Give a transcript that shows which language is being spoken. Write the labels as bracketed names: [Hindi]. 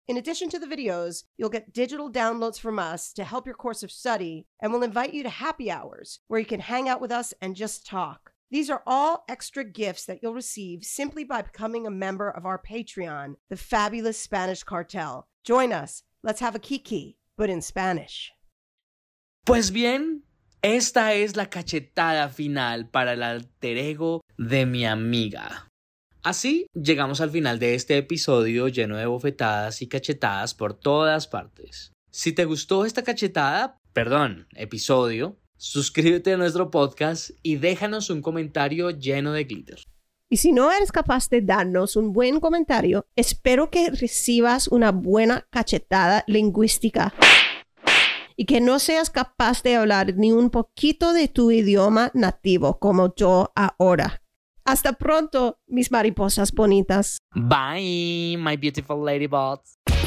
[English] In addition to the videos, you'll get digital downloads from us to help your course of study, and we'll invite you to happy hours, where you can hang out with us and just talk. These are all extra gifts that you'll receive simply by becoming a member of our Patreon, the Fabulous Spanish Cartel. Join us. Let's have a kiki, but in Spanish. [Spanish] Pues bien, esta es la cachetada final para el alter ego de mi amiga. Así llegamos al final de este episodio lleno de bofetadas y cachetadas por todas partes. Si te gustó esta cachetada, perdón, episodio, suscríbete a nuestro podcast y déjanos un comentario lleno de glitter. Y si no eres capaz de darnos un buen comentario, espero que recibas una buena cachetada lingüística y que no seas capaz de hablar ni un poquito de tu idioma nativo como yo ahora. Hasta pronto, mis mariposas bonitas. [English] Bye, my beautiful ladybots.